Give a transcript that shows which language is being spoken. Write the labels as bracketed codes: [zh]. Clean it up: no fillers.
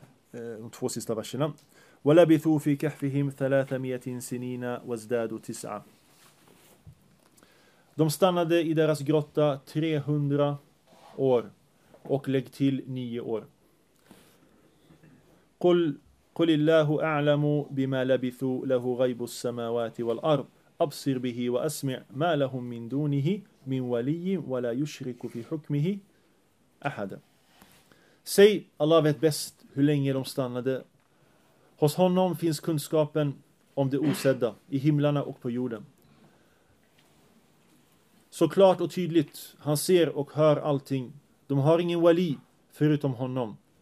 [sv] De två sista verserna. [ar] وَلَبِثُوا فِي كَحْفِهِمْ 300 سِنِينَ وَزْدَادُوا 9. [sv] De stannade i deras grotta 300 år och lägg till 9 år. [ar] قُلِ اللَّهُ أَعْلَمُ بِمَا لَبِثُوا لَهُ غَيْبُ السَّمَاوَاتِ وَالْأَرْضِ أَبْصِرْ بِهِ وَأَسْمِعْ مَا لَهُمْ مِنْ دُونِهِ min wali wala yushriku fi hukmihi ahada. [sv] Säg, Allah vet bäst hur länge de stannade. Hos honom finns kunskapen om det osedda i himlarna och på jorden. Så klart och tydligt han ser och hör allting. De har ingen wali förutom honom.